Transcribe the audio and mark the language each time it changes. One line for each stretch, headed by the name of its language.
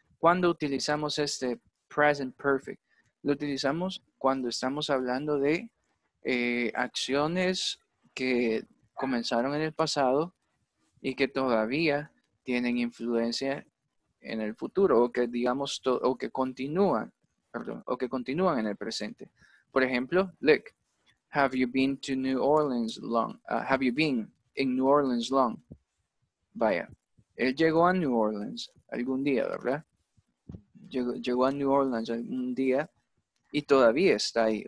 Spanish: ¿Cuándo utilizamos este present perfect? Lo utilizamos cuando estamos hablando de acciones que comenzaron en el pasado y que todavía tienen influencia en el futuro o que, digamos, o que continúan. perdón, o que continúan en el presente. Por ejemplo,
English: look, have you been to New Orleans long? Have you been in New Orleans long?
Spanish: Vaya, él llegó a New Orleans algún día, ¿verdad? Llegó a New Orleans algún día y todavía está ahí.